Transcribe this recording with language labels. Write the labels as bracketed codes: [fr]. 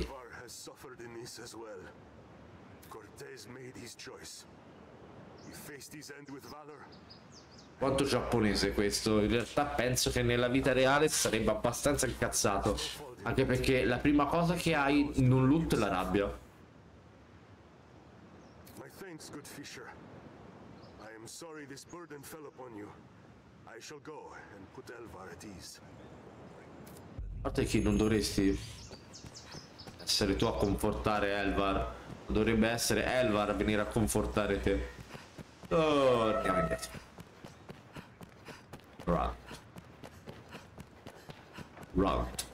[en] Alvar has suffered in this as well. Cortez made his choice. He faced his end with valor. [it] Quanto giapponese questo. In realtà penso che nella vita reale sarebbe abbastanza incazzato. Anche perché la prima cosa che hai in un loot è la rabbia. [en] My thanks, good Fisher. I am sorry this burden fell upon you. I shall go and put Elvar at ease. [it] A parte che non dovresti essere tu a confortare Elvar. Dovrebbe essere Elvar a venire a confortare te. Oh, andiamo. [en] Run.